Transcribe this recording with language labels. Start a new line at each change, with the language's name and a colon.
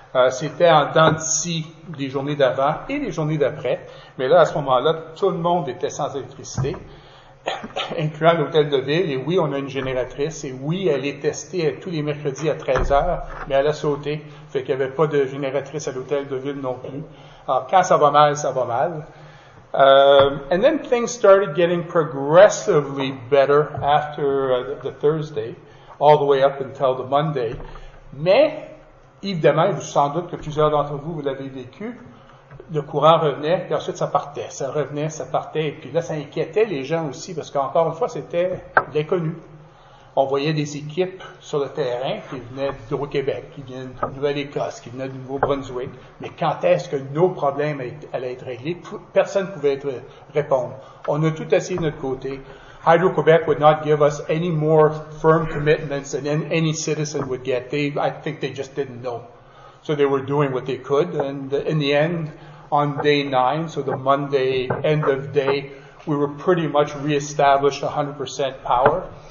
French: C'était en temps d'ici des journées d'avant et des journées d'après. Mais là, à ce moment-là, tout le monde était sans électricité. incluant l'hôtel de ville, et oui, on a une génératrice, et oui, elle est testée tous les mercredis à 13h, mais elle a sauté, fait qu'il n'y avait pas de génératrice à l'hôtel de ville non plus. Alors, quand ça va mal, ça va mal.
English: And then things started getting progressively better after the Thursday, all the way up until the Monday.
French: Mais, évidemment, sans doute que plusieurs d'entre vous, vous l'avez vécu, le courant revenait, et ensuite ça partait. Ça revenait, ça partait, et puis là, ça inquiétait les gens aussi, parce qu'encore une fois, c'était l'inconnu. On voyait des équipes sur le terrain qui venaient d'Hydro-Québec, qui venaient de Nouvelle-Écosse, qui venaient du Nouveau-Brunswick. Mais quand est-ce que nos problèmes allaient être réglés? Personne ne pouvait répondre. On a tout essayé de notre côté.
English: Hydro-Québec would not give us any more firm commitments than any citizen would get. I think they just didn't know. So they were doing what they could. And in the end, on day 9, so the Monday end of day, we were pretty much reestablished 100% power.